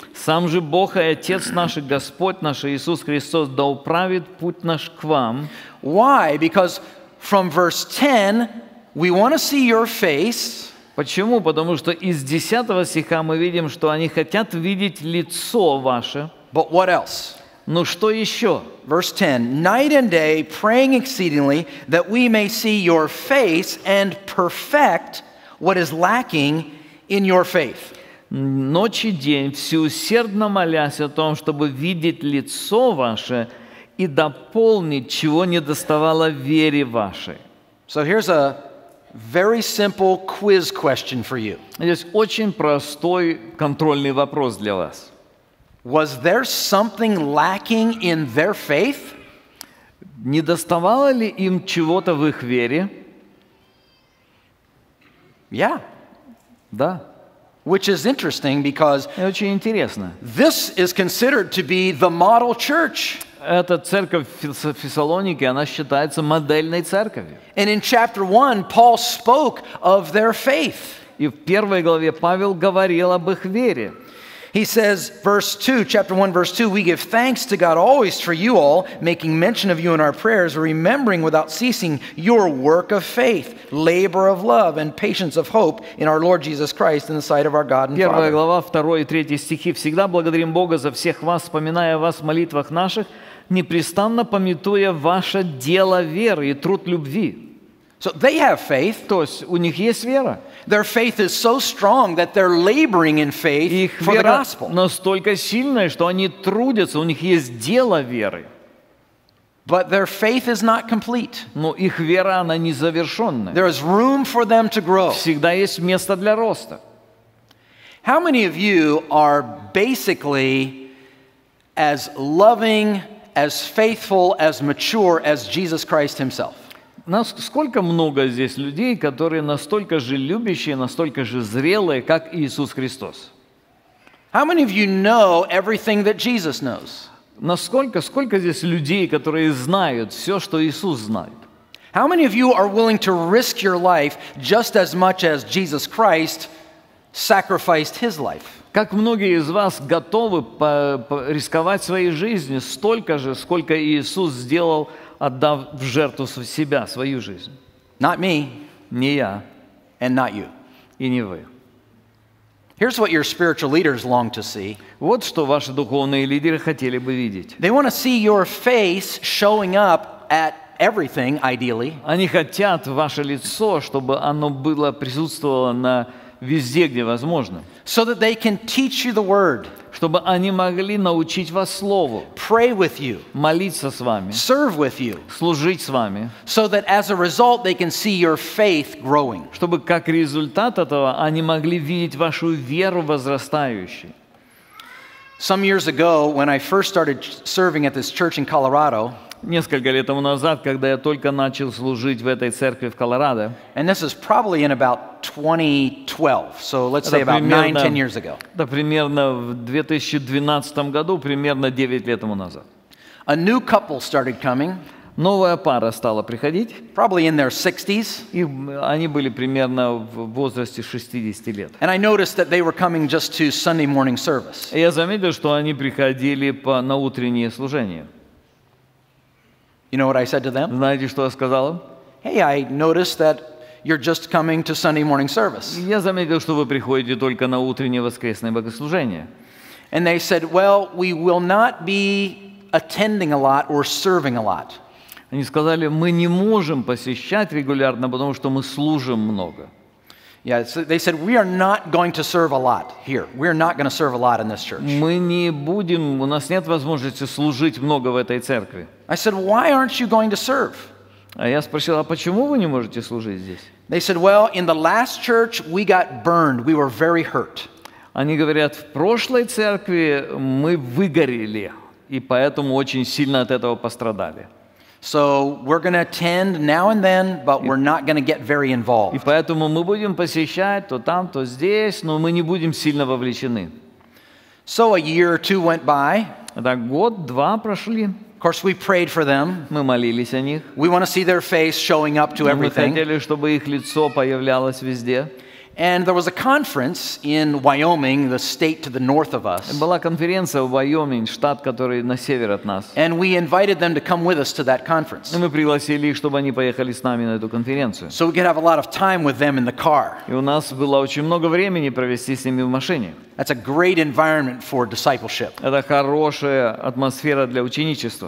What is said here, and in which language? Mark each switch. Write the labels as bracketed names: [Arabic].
[Russian] Сам же Бог и Отец наш, Господь наш Иисус Христос, да управит путь наш к вам. [English] Why? Because from verse 10, we want to see your face. [Russian] Почему? Потому что из 10 стиха мы видим, что они хотят видеть лицо ваше. [English] But what else? [Russian] Ну что еще? [English] Verse 10. Night and day, praying exceedingly, that we may see your face and perfect what is lacking in your faith. [Russian] Ночь и день, всеусердно молясь о том, чтобы видеть лицо ваше и дополнить, чего недоставало вере вашей. [English] So here's a very simple quiz question for you. [Russian] Здесь очень простой контрольный вопрос для вас. [English] Was there something lacking in their faith? [Russian] Не доставало ли им чего-то в их вере? [English] Yeah. [Russian] Да. [English] Which is interesting because [Russian] это очень интересно. [English] This is considered to be the model church. [Russian] Эта церковь в Фессалонике, она считается модельной церковью. [English] And in chapter 1, Paul spoke of their faith. [Russian] И в первой главе Павел говорил об их вере. [English] He says, verse 2, chapter 1, verse 2, we give thanks to God always for you all, making mention of you in our prayers, remembering without ceasing your work of faith, labor of love, and patience of hope in our Lord Jesus Christ in the sight of our God and Father. [Russian] Первая глава, второй и третий стихи. Всегда благодарим Бога за всех вас, вспоминая вас в молитвах наших, непрестанно памятуя ваше дело веры и труд любви. [English] So they have faith. [Russian] То есть у них есть вера. [English] Their faith is so strong that they're laboring in faith for the gospel. [Russian] Их вера настолько сильная, что они трудятся, у них есть дело веры. [English] But their faith is not complete. [Russian] Но их вера, она не завершенная. [English] There is room for them to grow. [Russian] Всегда есть место для роста. [English] How many of you are basically as loving, as faithful, as mature as Jesus Christ himself? [Russian] Насколько много здесь людей, которые настолько же любящие, настолько же зрелые, как Иисус Христос? [English] How many of you know everything that Jesus knows? [Russian] Насколько здесь людей, которые знают все, что Иисус знает? [English] How many of you are willing to risk your life just as much as Jesus Christ sacrificed his life? [Russian] Как многие из вас готовы рисковать своей жизнью столько же, сколько Иисус сделал, отдав в жертву себя, свою жизнь? [English] Not me. [Russian] Не я. [English] And not you. [Russian] И не вы. [English] Here's what your spiritual leaders long to see. [Russian] Вот что ваши духовные лидеры хотели бы видеть. [English] They want to see your face showing up at everything, ideally. [Russian] Они хотят ваше лицо, чтобы оно было присутствовало на везде, где возможно. [English] So that they can teach you the word. [Russian] Чтобы они могли научить вас слову. [English] Pray with you. [Russian] Молиться с вами. [English] Serve with you. [Russian] Служить с вами. [English] So that as a result they can see your faith growing. [Russian] Чтобы как результат этого они могли видеть вашу веру возрастающей. [English] Some years ago, when I first started serving at this church in Colorado. [Russian] Несколько лет тому назад, когда я только начал служить в этой церкви в Колорадо. [English] And this is probably in about 2012, so let's say about 9-10 years ago. [Russian] Да, примерно в 2012 году, примерно 9 лет тому назад. [English] A new couple started coming. [Russian] Новая пара стала приходить. [English] Probably in their 60s. [Russian] И они были примерно в возрасте 60 лет. [English] And I noticed that they were coming just to Sunday morning service. [Russian] Я заметил, что они приходили на утреннее служение. [English] You know what I said to them? [Russian] Знаете, что я сказал им? [English] Hey, I noticed that you're just coming to Sunday morning service. [Russian] Я заметил, что вы приходите только на утреннее воскресное богослужение. [English] And they said, well, we will not be attending a lot or serving a lot. [Russian] Они сказали, мы не можем посещать регулярно, потому что мы служим много. [English] Yeah, so they said, we are not going to serve a lot here. We are not going to serve a lot in this church. [Russian] Мы не будем, у нас нет возможности служить много в этой церкви. [English] I said, why aren't you going to serve? [Russian] А я спросил, а почему вы не можете служить здесь? [English] They said, well, in the last church, we got burned. We were very hurt. [Russian] Они говорят, в прошлой церкви мы выгорели, и поэтому очень сильно от этого пострадали. [English] So we're going to attend now and then, but we're not going to get very involved. [Russian] И поэтому мы будем посещать то там, то здесь, но мы не будем сильно вовлечены. [English] So a year or two went by. [Russian] Так год-два прошли. [English] Of course, we prayed for them. [Russian] Мы молились о них. [English] We want to see their face showing up to everything. [Russian] Мы хотели, чтобы их лицо появлялось везде. [English] And there was a conference in Wyoming, the state to the north of us. [Russian] Была конференция в Вайоминге, штат, который на север от нас. [English] And we invited them to come with us to that conference. [Russian] И мы пригласили их, чтобы они поехали с нами на эту конференцию. [English] So we could have a lot of time with them in the car. [Russian] И у нас было очень много времени провести с ними в машине. [English] That's a great environment for discipleship. [Russian] Это хорошая атмосфера для ученичества.